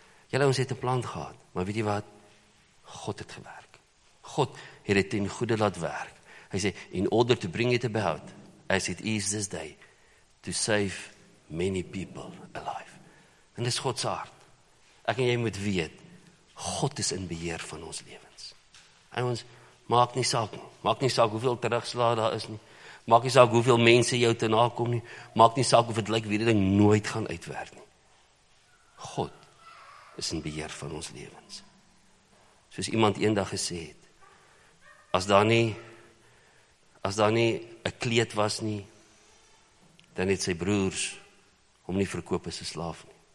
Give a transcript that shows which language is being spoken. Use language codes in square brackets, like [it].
[af] Julle ouens het 'n plan gehad, maar weet jy wat? God het gewerk. God het dit ten goede laat werk. Hy sê, [en] in order to bring it about, as it is this day, to save many people alive. [af] En dis God se hart. Ek en jy moet weet, God is in beheer van ons lewens. En ons maak nie saak nie. Maak nie saak hoeveel terugslag daar is nie. Maak nie saak hoeveel mense jou te na kom nie. Maak nie saak of het lyk weer die ding nooit gaan uitwerk nie. God is in beheer van ons lewens. Soos iemand eendag gesê het, as daar nie 'n kleed was nie, dan het sy broers hom nie verkoop as 'n slaaf nie.